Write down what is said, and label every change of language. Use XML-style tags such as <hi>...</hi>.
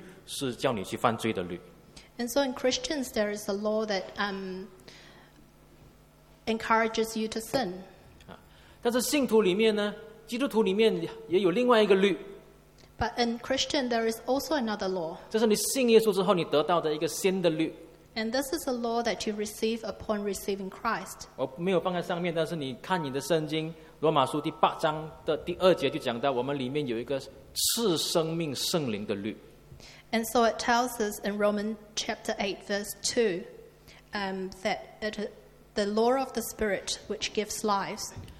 <zh>那所以信徒里面有一种的律，是叫你去犯罪的律。</zh> <en>And so in Christians, there is a law that encourages you to sin.</en> <zh>但是信徒里面呢，基督徒里面也有另外一个律。</zh> <en>But in Christian, there is also another law.</en> <zh>这是你信耶稣之后你得到的一个新的律。</zh> <en>And this is a law that you receive upon receiving Christ.</en> <zh>我没有放在上面，但是你看你的圣经。罗马书第八章的第二节就讲到，我们里面有一个赐生命圣灵的律。</zh> <en>And so it tells us in Romans chapter 8 verse 2 that it the law of the spirit which gives lives.</en>